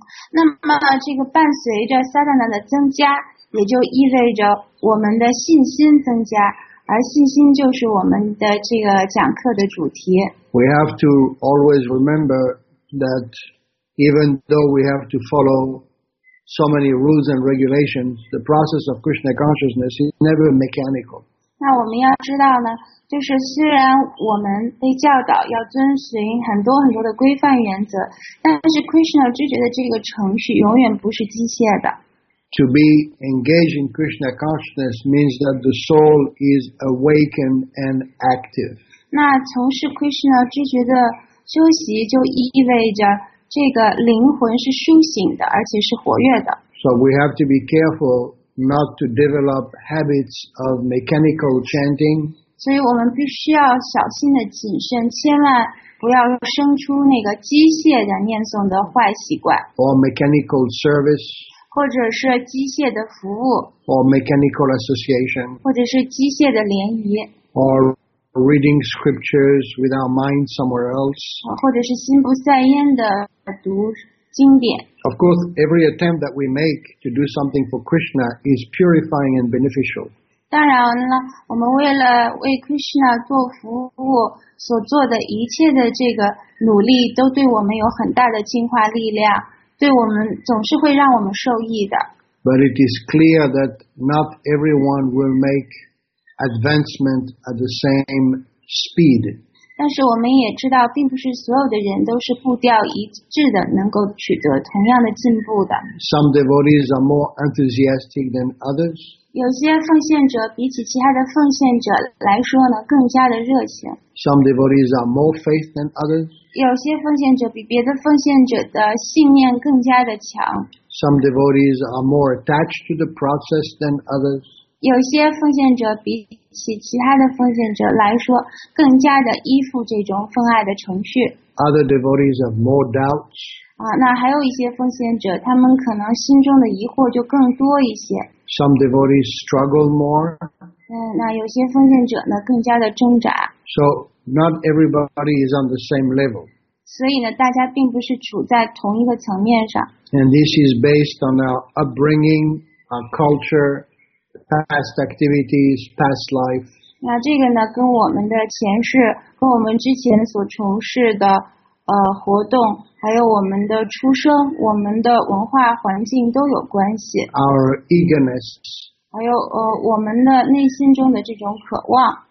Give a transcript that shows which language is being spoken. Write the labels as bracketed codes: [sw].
[zh] 那么这个伴随着 sadhana 的增加，也就意味着我们的信心增加，而信心就是我们的这个讲课的主题。 [en] We have to always remember that even though we have to followSo many rules and regulations, the process of Krishna consciousness is never mechanical. [zh] 那我们要知道呢，就是虽然我们被教导要遵循很多很多的规范原则，但是 Krishna 知觉的这个程序永远不是机械的。 [en] To be engaged in Krishna consciousness means that the soul is awakened and active. [zh] 那从事 Krishna 知觉的修习就意味着这个灵魂是苏醒的，而且是活跃的。 [en] So we have to be careful not to develop habits of mechanical chanting. [zh] 所以我们必须要小心的谨慎，千万不要生出那个机械的念诵的坏习惯。 [en] Or mechanical service. [zh] 或者是机械的服务。 [en] Or mechanical association. [zh] 或者是机械的联谊。 [en] Or reading scriptures with our mind somewhere else. [zh] 或者是心不在焉的。读经典。 [en] Of course, every attempt that we make to do something for Krishna is purifying and beneficial. [zh] 当然了，我们为了为 Krishna 做服务所做的一切的这个努力，都对我们有很大的净化力量，对我们总是会让我们受益的。 [en] But it is clear that not everyone will make advancement at the same speed. [zh] 但是我们也知道，并不是所有的人都是步调一致的，能够取得同样的进步的。 [en] Some devotees are more enthusiastic than others. [zh] 有些奉献者比起其他的奉献者来说呢，更加的热情。 [en] Some devotees are more faith than others. [zh] 有些奉献者比别的奉献者的信念更加的强。 [en] Some devotees are more attached to the process than others. [zh] 有些奉献者比起其他的奉献者来说，更加的依附这种奉爱的程序。 [en] Other devotees have more doubts. [zh] 那还有一些奉献者，他们可能心中的疑惑就更多一些。 [en] Some devotees struggle more. [zh] 那有些奉献者呢，更加的挣扎。 [en] So not everybody is on the same level. [zh] 所以呢，大家并不是处在同一个层面上。 [en] And this is based on our upbringing, our culture, past activities, past life. [zh] 那这个呢，跟我们的前世，跟我们之前所从事的活动，还有我们的出生，我们的文化环境都有关系。 [en] Our eagerness. [zh] 还有我们的内心中的这种渴望。